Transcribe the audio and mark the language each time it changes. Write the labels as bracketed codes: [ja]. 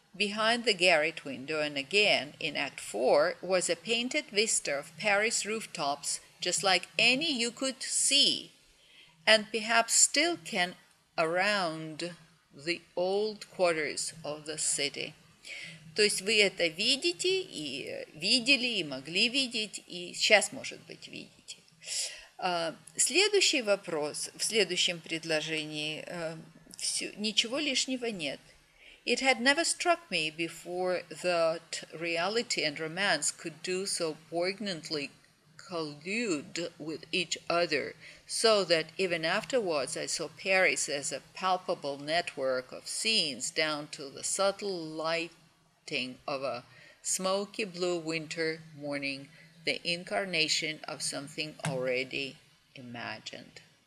[en] Behind the garret window and again in Act 4 was a painted vista of Paris rooftops just like any you could see and perhaps still can around the old quarters of the city. [ru] То есть вы это видите и видели и могли видеть и сейчас, может быть, видите. Следующий вопрос в следующем предложении. Ничего лишнего нет. [en] It had never struck me before that reality and romance could do so poignantly collude with each other, so that even afterwards I saw Paris as a palpable network of scenes down to the subtle lighting of a smoky blue winter morning, the incarnation of something already imagined.